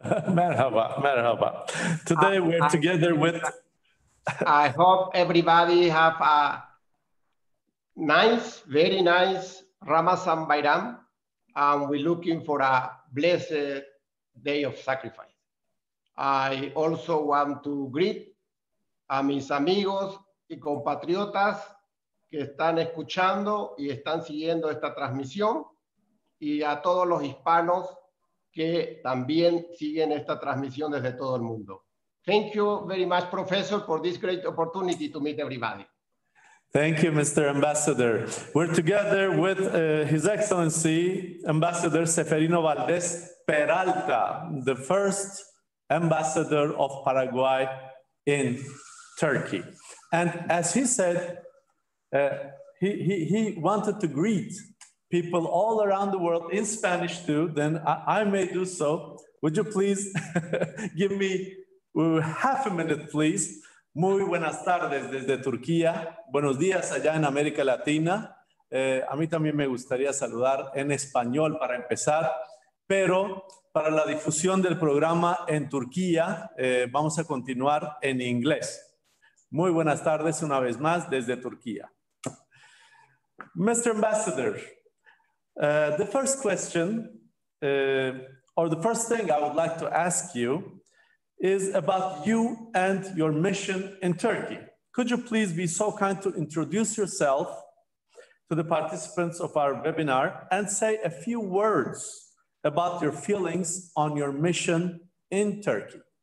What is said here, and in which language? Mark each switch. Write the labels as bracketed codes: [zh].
[tr] Merhaba, merhaba. [en] Today we're together with... I hope everybody have a nice, very nice Ramazan Bayram. And we're looking for a blessed day of sacrifice. I also want to greet [es] a mis amigos y compatriotas que están escuchando y están siguiendo esta transmisión y a todos los hispanos que también siguen esta transmisión desde todo el mundo. [en] Thank you very much, Professor, for this great opportunity to meet everybody. Thank you, Mr. Ambassador. We're together with His Excellency Ambassador Seferino Valdez Peralta, the first ambassador of Paraguay in Turkey. And as he said, he wanted to greet people all around the world in Spanish too, then I may do so. Would you please give me half a minute, please? [es] Muy buenas tardes desde Turquía. Buenos días allá en América Latina. A mí también me gustaría saludar en español para empezar, pero para la difusión del programa en Turquía, vamos a continuar en inglés. Muy buenas tardes una vez más desde Turquía. [en] Mr. Ambassador, the first question, or the first thing I would like to ask you, is about you and your mission in Turkey. Could you please be so kind to introduce yourself to the participants of our webinar and say a few words about your feelings on your mission in Turkey?